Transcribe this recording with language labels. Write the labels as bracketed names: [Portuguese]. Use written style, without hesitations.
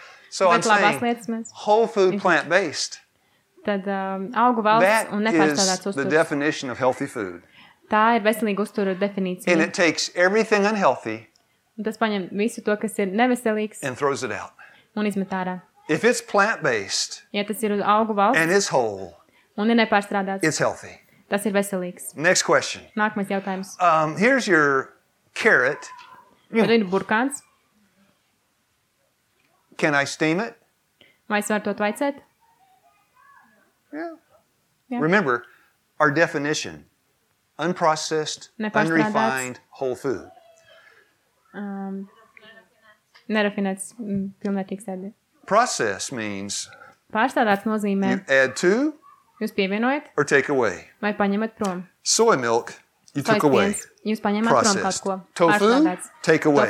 [English] So I'm saying whole food plant-based. [Latvian] Tad augu valsts un nepārstrādāts uzturs. [English] That is the definition of healthy food. [Latvian] Tā ir veselīga uzturu definīcija. [English] And it takes everything unhealthy. [Latvian] Un tas paņem visu to, kas ir neveselīgs. [English] And throws it out. [Latvian] Un izmet ārā. [English] If it's plant-based. [Latvian] Ja tas ir augu valsts. [English] And it's whole. [Latvian] Un ir nepārstrādāts. [English] It's healthy. [Latvian] Tas ir veselīgs. [English] Next question. [Latvian] Nākamais jautājums. [English] Here's your carrot. [Latvian] Vai ir burkāns? [English] Can I steam it? [Latvian] Vai es varu to tvaicēt? [English] Yeah. Remember, our definition. Unprocessed, unrefined whole food. [Latvian] Nerafinēts pilnvērtīgs ēdiens. [English] Process means [Latvian] pārstrādāts nozīmē [English] you add to [Latvian] jūs pievienojat [English] or take away. [Latvian] Vai paņemat prom. [English] Soy milk you took away. [Latvian] Jūs paņemat prom kaut ko. [English] Tofu, take away.